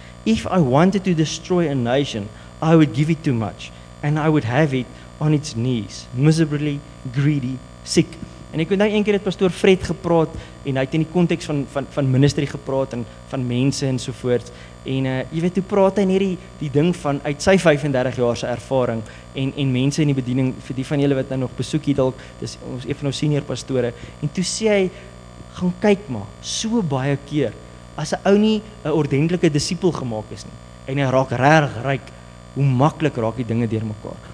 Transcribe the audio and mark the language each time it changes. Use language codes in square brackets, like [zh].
[en] If I wanted to destroy a nation, I would give it too much and I would have it on its knees, miserably greedy, sick. [af] En ek het nou een keer met pastoor Fred gepraat en hy het in die konteks van ministry gepraat en van mense en so voort. En jy weet hoe praat hy in hierdie die ding van uit sy 35 jaar se ervaring en mense in die bediening vir die van julle wat nou nog besoek hier dalk, dis ons een van ons senior pastore. En toe sê hy gaan kyk maar, so baie keer as 'n ou nie 'n ordentlike disipel gemaak is nie en hy raak regtig ryk, hoe maklik raak die dinge deurmekaar.